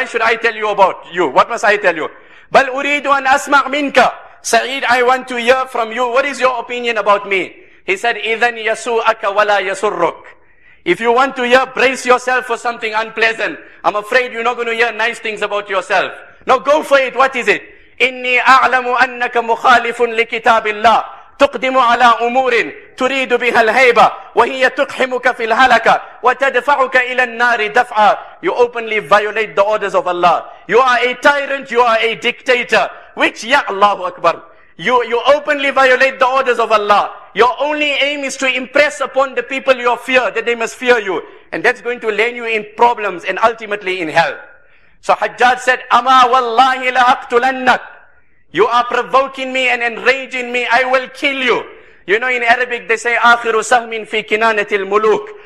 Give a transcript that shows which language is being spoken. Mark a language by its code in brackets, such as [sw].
[en] Why should I tell you about you? What must I tell you? [ar] بَلْ أُرِيدُ أَنْ أَسْمَعْ مِنْكَ [en] Saeed, I want to hear from you. What is your opinion about me? He said, [ar] إِذَنْ يَسُوءَكَ وَلَا يَسُرُّكَ [en] If you want to hear, brace yourself for something unpleasant. I'm afraid you're not going to hear nice things about yourself. Now go for it. What is it? [ar] إِنِّي أَعْلَمُ أَنَّكَ مُخَالِفٌ لِكِتَابِ اللَّهِ تقدم على أمور تريد بها الهيبة وهي تقحمك في الهلكة وتدفعك إلى النار دفعا [en] You openly violate the orders of Allah. You are a tyrant, you are a dictator. Which, ya Allahu Akbar. You openly violate the orders of Allah. Your only aim is to impress upon the people your fear, that they must fear you. And that's going to land you in problems and ultimately in hell. So Hajjaj said, [ar] أما والله لأقتلنك [en] You are provoking me and enraging me. I will kill you. You know, in Arabic, they say, [ar] آخر سهم في كنانة الملوك.